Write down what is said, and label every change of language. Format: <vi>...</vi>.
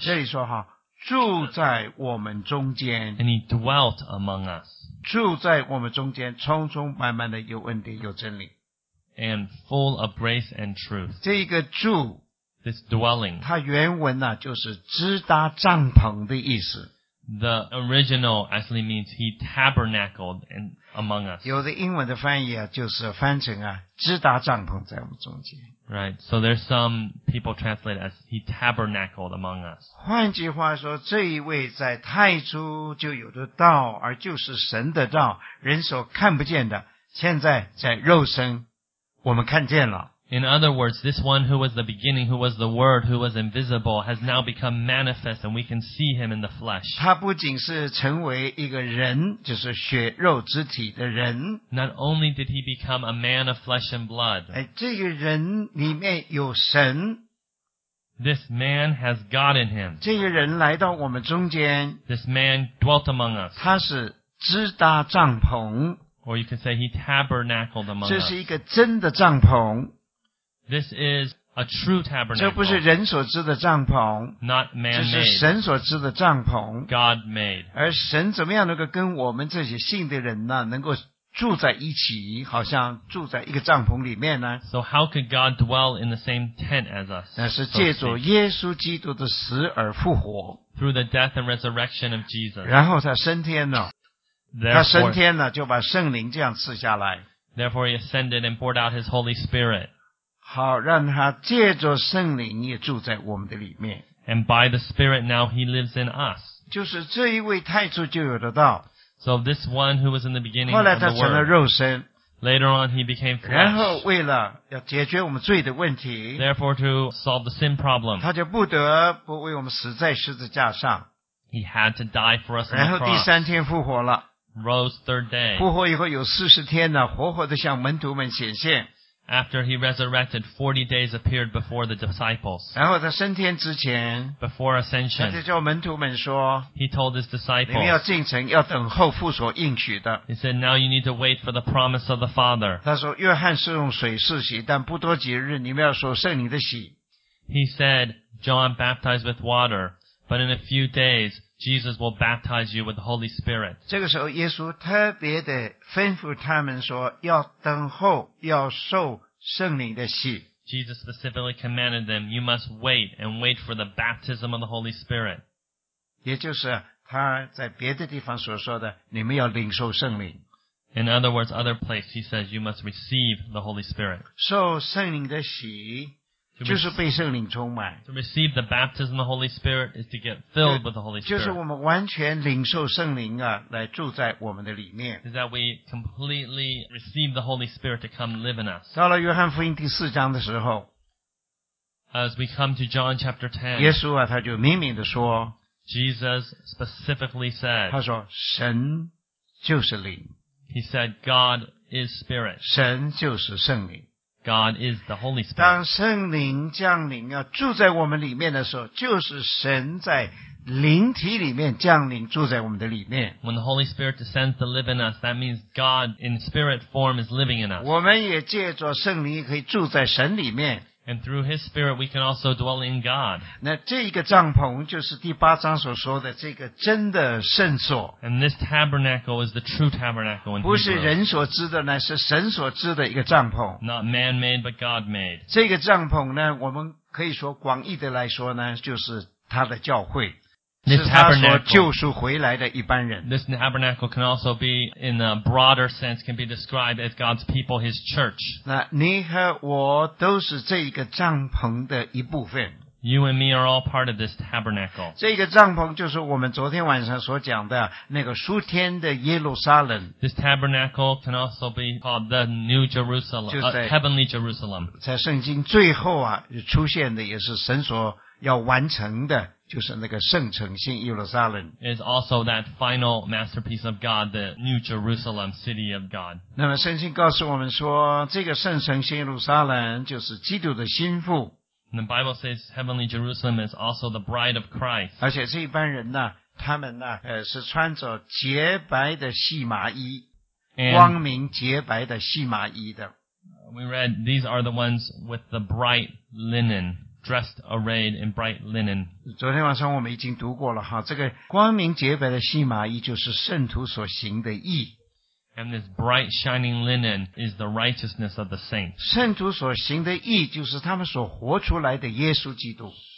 <zh>这里说哈，住在我们中间。</zh> <en>And he dwelt among us.</en> <zh>住在我们中间，充充满满的有恩典有真理。</zh> <en>And full of grace and truth.</en> <zh>这个住。</zh> <en>This dwelling.</en> <zh>它原文呢，就是支搭帐篷的意思。</zh> <en>The original actually means he tabernacled in, among us.</en> <zh>有的英文的翻译啊，就是翻成啊，支搭帐篷在我们中间。</zh> <en>Right, so there's some people translate as he tabernacled among us.</en> <zh>换句话说，这一位在太初就有的道，而就是神的道，人所看不见的，现在在肉身，我们看见了。</zh> <en>In other words, this one who was the beginning, who was the Word, who was invisible, has now become manifest and we can see him in the flesh.</en> <zh>他不仅是成为一个人，就是血肉之体的人。</zh> <en>Not only did he become a man of flesh and blood.</en> <zh>这个人里面有神。</zh> <en>This man has God in him.</en> <zh>这个人来到我们中间。</zh> <en>This man dwelt among us.</en> <zh>他是支搭帐篷。</zh> <en>Or you could say he tabernacled among us.</en> <zh>这是一个真的帐篷。</zh> <en>This is a true tabernacle.</en> <zh>这不是人所知的帐篷。</zh> <en>Not man-made.</en> <zh>这是神所知的帐篷。</zh> <en>God made.</en> <zh>而神怎么样能够跟我们这些信的人呢能够住在一起好像住在一个帐篷里面呢</zh> <en>So how could God dwell in the same tent as us?</en> <zh>那是借着耶稣基督的死而复活。</zh> <en>Through the death and resurrection of Jesus.</en> <zh>然后他升天了。</zh> <en>Therefore,</en> <zh>他升天了就把圣灵这样赐下来。</zh> <en>Therefore he ascended and poured out his Holy Spirit.</en> <zh>好让他借着圣灵也住在我们的里面。</zh> <en>And by the Spirit now he lives in us.</en> <zh>就是这一位太初就有的道。</zh> <en>So this one who was in the beginning of the word,</en> <zh>了肉身,</zh> <en>later on he became flesh.</en> <zh>然后为了要解决我们罪的问题,</zh> <en>therefore to solve the sin problem,</en> <zh>他就不得不为我们死在十字架上。</zh> <en>He had to die for us on the cross.</en> <zh>然后第三天复活了,</zh> <en>rose third day.</en> <zh>复活以后有四十天了, 活活地向门徒们显现。</zh> <en>After he resurrected, 40 days appeared before the disciples.</en> <zh>然后他升天之前,</zh> <en>before ascension,</en> <zh>他就叫门徒们说,</zh> <en>he told his disciples,</en> <zh>你们要进城, 要等候父所应许的。</zh> <en>He said, now you need to wait for the promise of the Father.</en> <zh>他说, 约翰是用水施洗, 但不多几日, 你们要受圣灵的洗。</zh> <en>He said, John baptized with water, but in a few days, Jesus will baptize you with the Holy Spirit.</en> <zh>这个时候耶稣特别的吩咐他们说要等候要受圣灵的洗。</zh> <en>Jesus specifically commanded them, you must wait and wait for the baptism of the Holy Spirit.</en> <zh>也就是他在别的地方所说的你们要领受圣灵。</zh> <en>In other words, other place, he says, you must receive the Holy Spirit.</en> <zh>受圣灵的洗就是被圣灵充满。</zh> <en>To receive the baptism of the Holy Spirit is to get filled with the Holy Spirit.</en> <zh>就是我们完全领受圣灵啊，来住在我们的里面。</zh> <en>Is that we completely receive the Holy Spirit to come live in us.</en> <zh>到了约翰福音第四章的时候</zh> <en>，As we come to John chapter 10,</en> <zh>耶稣啊，他就明明的说</zh> <en>，Jesus specifically said,</en> <zh>他说神就是灵。</zh> <en>He said God is Spirit.</en> <zh>神就是圣灵。</zh> <en>God is the Holy Spirit.</en> <zh>当圣灵降临啊，住在我们里面的时候，就是神在灵体里面降临，住在我们的里面。</zh> <en>When the Holy Spirit descends to live in us, that means God in spirit form is living in us.</en> <zh>我们也借着圣灵可以住在神里面。</zh> <en>And through His Spirit, we can also dwell in God.</en> <zh>那这一个帐篷就是第八章所说的这个真的圣所。</zh> <en>And this tabernacle is the true tabernacle in Hebrew.</en> <zh>不是人所知的呢，是神所知的一个帐篷。</zh> <en>Not man-made, but God-made.</en> <zh>这个帐篷呢，我们可以说广义的来说呢，就是他的教会。</zh> <en>This tabernacle,</en> <zh>是他所救赎回来的一般人。</zh> <en>This tabernacle can also be, in a broader sense, can be described as God's people, His church.</en> <zh>那你和我都是这一个帐篷的一部分。</zh> <en>You and me are all part of this tabernacle.</en> <zh>这个帐篷就是我们昨天晚上所讲的那个属天的耶路撒冷。</zh> <en>This tabernacle can also be called the New Jerusalem, Heavenly Jerusalem.</en> <zh>在圣经最后啊，出现的也是神所要完成的。就是那个圣城新耶路撒冷</zh> <en>is also that final masterpiece of God, the New Jerusalem city of God.</en> <zh>那么圣经告诉我们说，这个圣城新耶路撒冷就是基督的心腹。</zh> <en>And the Bible says heavenly Jerusalem is also the bride of Christ.</en> <zh>而且这一般人呢，他们呢，是穿着洁白的细麻衣，</zh> <en>And、</en> <zh>光明洁白的细麻衣的。</zh> <en>We read these are the ones with the bright linen. Dressed, arrayed in bright linen.</en> <zh>昨天晚上我们已经读过了哈，这个光明洁白的细麻衣就是圣徒所行的义。</zh> <en>And this bright shining linen is the righteousness of the saints.</en> <zh>圣徒所行的义就是他们所活出来的耶稣基督。</zh>